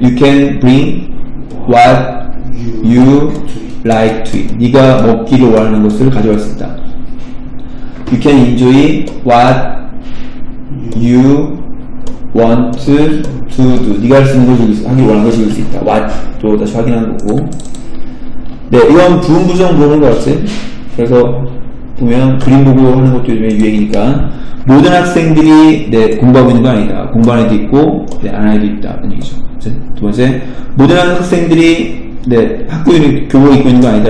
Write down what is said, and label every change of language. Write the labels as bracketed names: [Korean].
[English] You can bring what you like to eat. [Korean] 네가 먹기를 원하는 것을 가져갈 수 있다. [English] You can enjoy what you want to do. [Korean] 네가 할 수 있는 것을 하기 원하는 것을 할 수 있다. What 또 다시 확인한 거고. 네, 이건 부정 부정인 것 같지? 그래서 보면 그림 보고 하는 것도 요즘에 유행이니까 모든 학생들이 네, 공부하고 있는 거 아니다. 공부하는 애도 있고 네, 안 하는 애도 있다. 이런 얘기죠. 그치? 두 번째, 모든 학생들이 네, 학교 교복 입고 있는 거 아니다.